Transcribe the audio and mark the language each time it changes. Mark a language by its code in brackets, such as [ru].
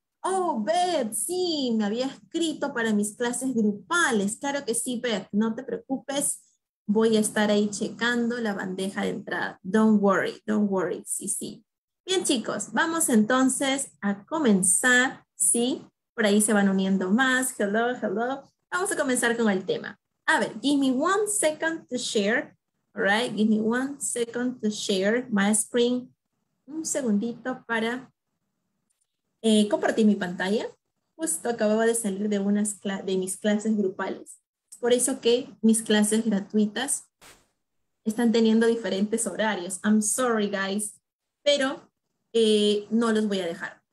[es] Oh, Beth, sí, me había escrito para mis clases grupales. Claro que sí, Beth. No te preocupes. Voy a estar ahí checando la bandeja de entrada. [en] Don't worry, don't worry. [es] Sí, sí. Bien, chicos, vamos entonces a comenzar, ¿sí? Por ahí se van uniendo más. [en] Hello, hello. [es] Vamos a comenzar con el tema. A ver, [en] give me one second to share. All right, give me one second to share my screen. [es] Un segundito para compartir mi pantalla. Justo acababa de salir de unas de mis clases grupales. Es por eso que mis clases gratuitas están teniendo diferentes horarios. [en] I'm sorry, guys. [es] Pero no los voy a dejar.